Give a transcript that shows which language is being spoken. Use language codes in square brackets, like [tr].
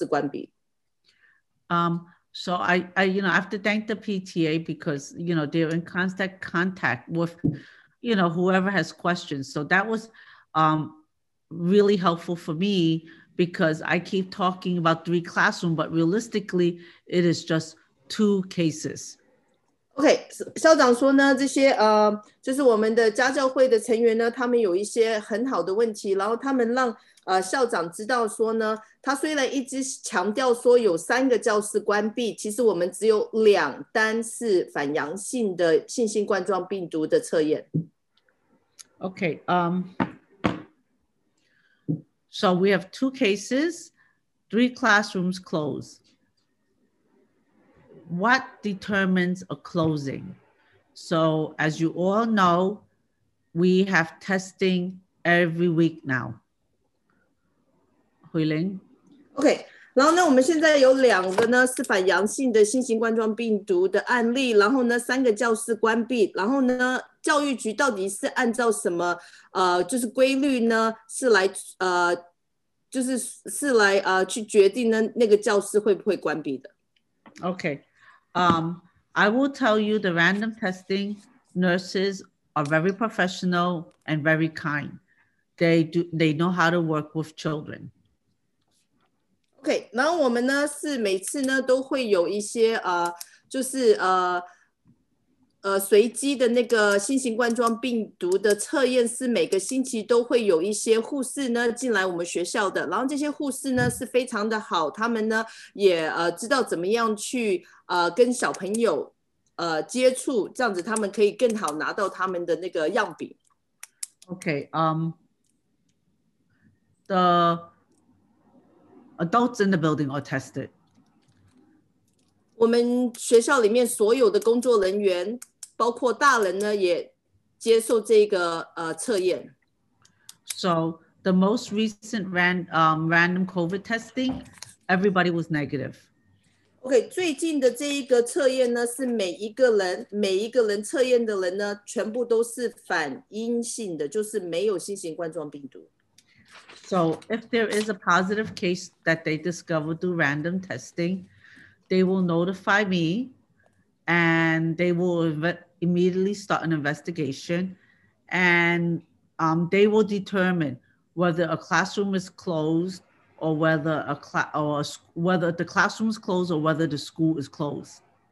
[zh] 然后校长说呢，他们今天早上呢跟我们学校的家教会成员呢开过会，他们有非常好的问题。然后呢，我们想跟你们讲呢，就是我们有两单是反阳性的新型冠状病毒的测验，然后有三个教室关闭。So [en] I you know, I have to thank the PTA because, you know, they're in constant contact with, you know, whoever has questions. So that was really helpful for me because I keep talking about three classrooms, but realistically, it is just two cases. [zh] Okay, 校长说呢，这些就是我们的家教会的成员呢，他们有一些很好的问题，然后他们让校长知道说呢，他虽然一直强调说有三个教室关闭，其实我们只有两单是反阳性的新型冠状病毒的测验。 [en] Okay, So we have two cases, three classrooms closed. What determines a closing? So as you all know, we have testing every week now. [zh] 回零。 OK， 然后呢，我们现在有两个呢是反阳性的新型冠状病毒的案例，然后呢三个教室关闭，然后呢教育局到底是按照什么就是规律呢，是来就是是来去决定呢那个教室会不会关闭的 [en] ？OK， I will tell you the random testing nurses are very professional and very kind. They know how to work with children. [zh] Okay, 然后我们呢是每次呢都会有一些就是随机的那个新型冠状病毒的测验，是每个星期都会有一些护士呢进来我们学校的，然后这些护士呢是非常的好，他们呢也知道怎么样去跟小朋友接触，这样子他们可以更好拿到他们的那个样品。 [en] Okay, the adults in the building are tested. [zh] 我们学校里面所有的工作人员，包括大人呢，也接受这个测验。 [en] So the most recent random COVID testing, everybody was negative. [zh] Okay, 最近的这一个测验呢，是每一个人测验的人呢，全部都是反阴性的，就是没有新型冠状病毒。 [en] So if there is a positive case that they discover through random testing. They will notify me and they will immediately start an investigation and they will determine whether a classroom is closed or whether the classroom is closed or whether the school is closed.